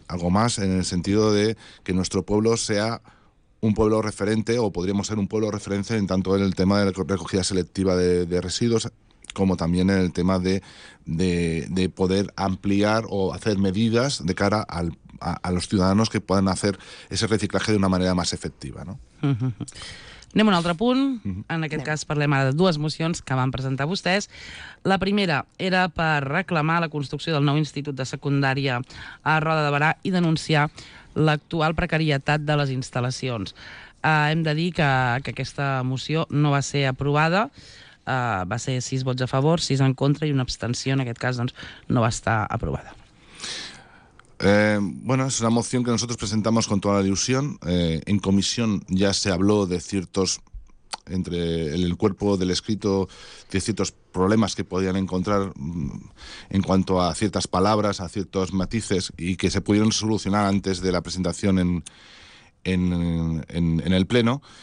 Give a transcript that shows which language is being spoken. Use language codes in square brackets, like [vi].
[es] Algo más en el sentido de que nuestro pueblo sea un pueblo referente, o podríamos ser un pueblo referente en tanto en el tema de la recogida selectiva de residuos, como también en el tema de poder ampliar o hacer medidas de cara a los ciudadanos que puedan hacer ese reciclaje de una manera más efectiva, ¿no? [ca] Anem a un altre punt. Uh-huh. En aquest cas parlem ara de dues mocions que van presentar vostès. La primera era per reclamar la construcció del nou institut de secundària a Roda de Berà i denunciar l'actual precarietat de les instal·lacions. Hem de dir que aquesta moció no va ser aprovada. Va ser 6 vots a favor, 6 en contra i una abstenció, en aquest cas, doncs, no va estar aprovada. [es] Bueno, es una moción que nosotros presentamos con toda la ilusión. En comisión ya se habló de ciertos, entre el cuerpo del escrito, de ciertos problemas que podían encontrar en cuanto a ciertas palabras, a ciertos matices, y que se pudieron solucionar antes de la presentación en el pleno.